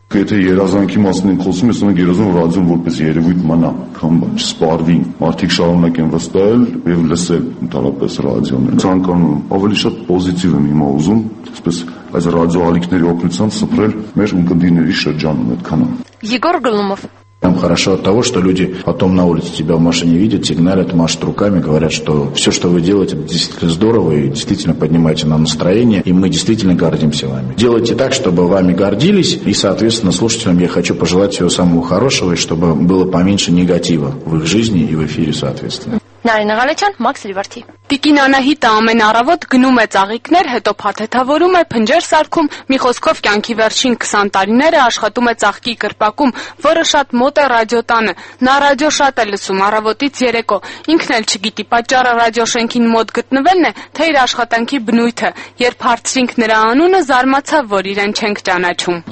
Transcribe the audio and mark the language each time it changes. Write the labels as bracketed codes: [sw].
[hy] Եթե երազանքի մասին են խոսում, ես ունեմ երազում, որ ռադիոն որպես երևույթ մնա, կամ չսպառվի, մարդիկ շարունակ են վստահել եւ լսել ընդհանրապես ռադիոն։ Ցանկանում ավելի շատ պոզիտիվ եմ հիմա ուզում, այսպես այս ռադիոալիքների օգնությամբ սփռել մեր ունկնդիրների շրջանում այդքանը։ Եգոր Գլումով. [ru] Там хорошо от того, что люди потом на улице тебя в машине видят, сигналят, машут руками, говорят, что все, что вы делаете, действительно здорово и действительно поднимаете нам настроение, и мы действительно гордимся вами. Делайте так, чтобы вами гордились, и, соответственно, слушателям я хочу пожелать всего самого хорошего, и чтобы было поменьше негатива в их жизни и в эфире, соответственно. [hy] Նարինե Ղալեչյան, Մաքս Լիվարթի։ Տիկին Անահիտը ամեն առավոտ գնում է ծաղիկներ, հետո փաթեթավորում է փնջեր սարքում, մի խոսքով կյանքի վերջին 20 տարիները աշխատում է ծաղկի կրպակում, որը շատ մոտ է ռադիոտանը։ Նա ռադիո շատ է լսում առավոտից երեկո։ Ինքն էլ չգիտի պատճառը ռադիոշենքին մոտ գտնվելն է, թե իր աշխատանքի բնույթը։ Երբ հարցրինք նրա անունը, զարմացավ, որ իրեն չենք ճանաչում։